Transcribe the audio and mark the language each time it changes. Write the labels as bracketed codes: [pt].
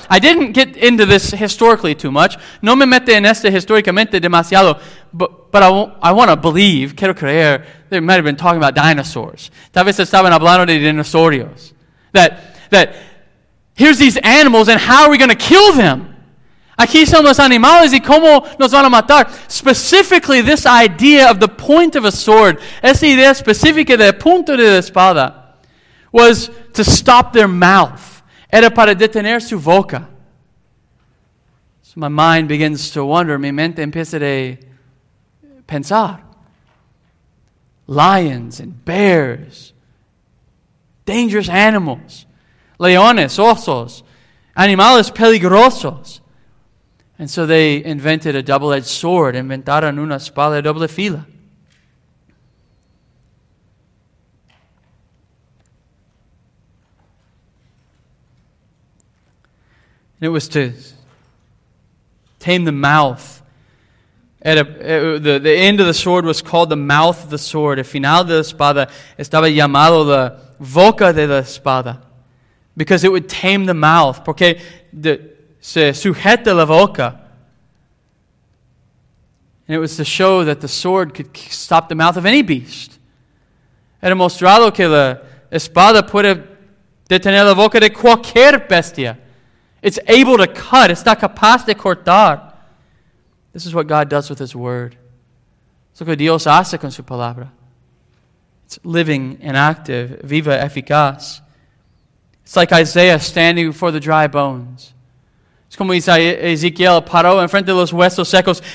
[en] I didn't get into this historically too much. [es] No me mete en esto históricamente demasiado. [en] But I want to believe, [es] quiero creer, [en] they might have been talking about dinosaurs. [es] Tal vez estaban hablando de dinosaurios. [en] That here's these animals, and how are we going to kill them? [es] Aquí son los animales, y cómo nos van a matar? [en] Specifically, this idea of the point of a sword, [es] esa idea específica del punto de la espada, [en] was to stop their mouth. [es] Era para detener su boca. [en] So my mind begins to wonder, [es] mi mente empieza a pensar. [en] Lions and bears, dangerous animals. [es] Leones, osos, animales peligrosos. [en] And so they invented a double-edged sword, [es] inventaron una espada de doble fila. [en] And it was to tame the mouth. The end of the sword was called the mouth of the sword. [es] El final de la espada estaba llamado la boca de la espada. [en] Because it would tame the mouth. [es] Porque se sujeta la boca. [en] And it was to show that the sword could stop the mouth of any beast. [es] Era mostrado que la espada puede detener la boca de cualquier bestia. [en] It's able to cut. [es] Está capaz de cortar. [en] This is what God does with his word. [es] Es lo que Dios hace con su palabra. [en] It's living and active, [es] viva, eficaz. [en] It's like Isaiah standing before the dry bones. It's [es] Es como dice Ezequiel, paró enfrente de los huesos secos.